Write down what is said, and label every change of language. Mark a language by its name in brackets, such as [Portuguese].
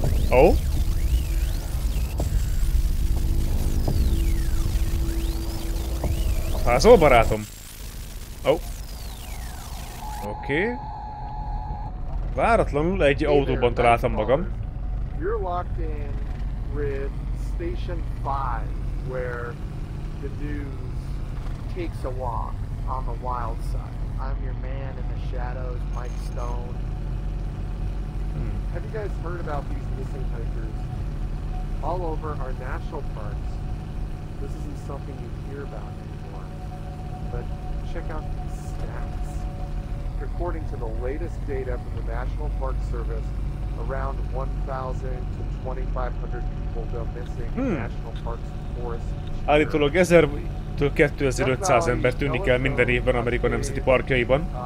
[Hungarian] Oh. Fázol, barátom? Oh. Oké. Okay. Váratlanul egy autóban találtam magam. [English] You're locked in with station 5, where the dude takes a walk on the wild side. I'm your man in the shadows, Mike Stone. Have you guys heard about these missing hikers? All over our national parks, this isn't something you hear about anymore. But check out these stats. According to the latest data from the National Park Service, around 1,000 to 2,500 people go missing in national parks and forests. [Hungarian] Állítólag 1000-től 2500 ember tűnik el minden évben Amerika nemzeti parkjaiban.